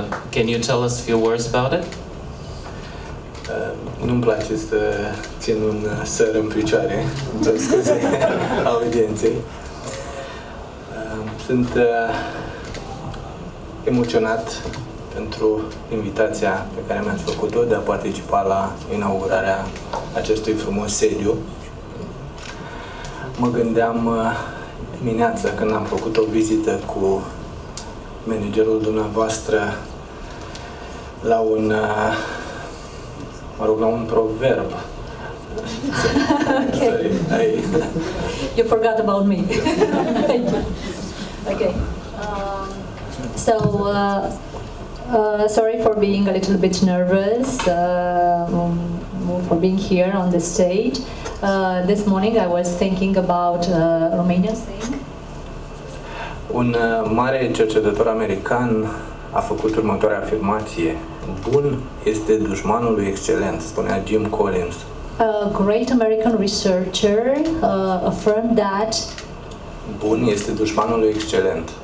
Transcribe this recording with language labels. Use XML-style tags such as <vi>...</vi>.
<en>Can you tell us a few words about it?</en> <ro>Nu-mi place să țin un săr în picioare, doar scuze audienței. Sunt emoționat pentru invitația pe care mi-ați făcut-o de a participa la inaugurarea acestui frumos sediu. Mă gândeam dimineața când am făcut o vizită cu managerul dumneavoastră la un, mă rog, la un proverb.</ro> <en>Okay. Sorry. You forgot about me. Thank you. Okay. Sorry for being a little bit nervous, for being here on the stage. This morning I was thinking about Romania's thing.</en> <ro>Un mare cercetător american a făcut următoarea afirmație. Bun este dușmanul lui excelent, spunea Jim Collins.</ro> <en>A great American researcher affirmed that</en> <ro>bun este dușmanul lui excelent.</ro>